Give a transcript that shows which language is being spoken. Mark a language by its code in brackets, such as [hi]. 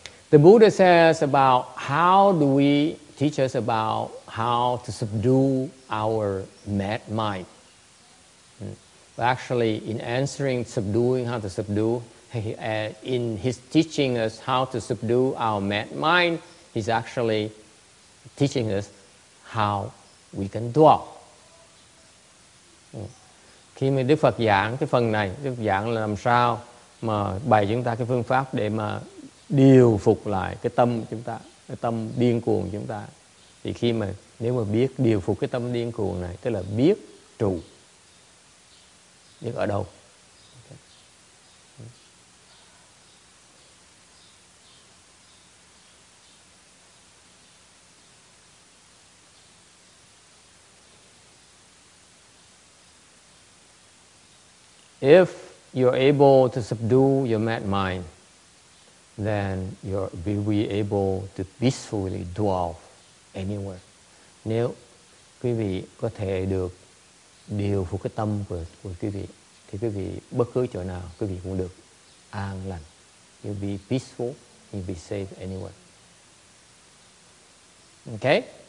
[en] The Buddha says about how do we teach us about how to subdue our mad mind. Actually, in answering subduing, how to subdue, in his teaching us how to subdue our mad mind, he's actually teaching us how we can dwell. [vi] Khi mà Đức Phật giảng cái phần này, Đức Phật giảng là làm sao mà bày chúng ta cái phương pháp để mà điều phục lại cái tâm chúng ta, cái tâm điên cuồng chúng ta. Thì khi mà nếu mà biết điều phục cái tâm điên cuồng này, tức là biết trụ, biết ở đâu. [en] Okay. If you're able to subdue your mad mind, then you'll be able to peacefully dwell anywhere. [vi] Nếu quý vị có thể được điều phục cái tâm của quý vị, thì quý vị bất cứ chỗ nào quý vị cũng được an lành. [en] You'll be peaceful, you'll be safe anywhere. Okay?